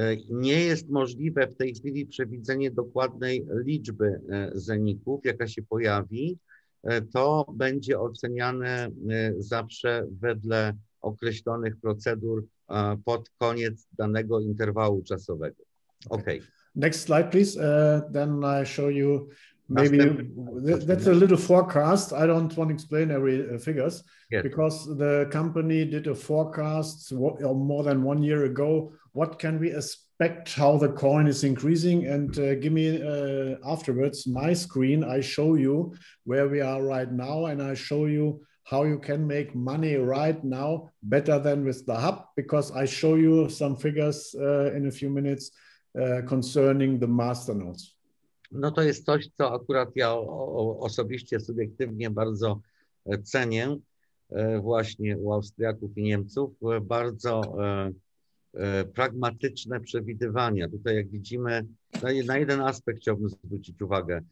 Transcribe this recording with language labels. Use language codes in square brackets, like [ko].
[pl] Nie jest możliwe w tej chwili przewidzenie dokładnej liczby Zeników, jaka się pojawi. To będzie oceniane zawsze wedle określonych procedur pod koniec danego interwału czasowego. [en] Okay. Next slide, please. Then I show you maybe that's a little forecast. I don't want to explain every figures yes. Because the company did a forecast more than 1 year ago. What can we expect? How the coin is increasing? And give me afterwards my screen. I show you where we are right now, and I show you how you can make money right now better than with the hub. Because I show you some figures in a few minutes concerning the masternodes. [pl] No, to jest coś, co akurat ja osobiście, subiektywnie bardzo cenię właśnie u Austriaków i Niemców. Bardzo pragmatyczne przewidywania. Tutaj jak widzimy, na jeden aspekt chciałbym zwrócić uwagę.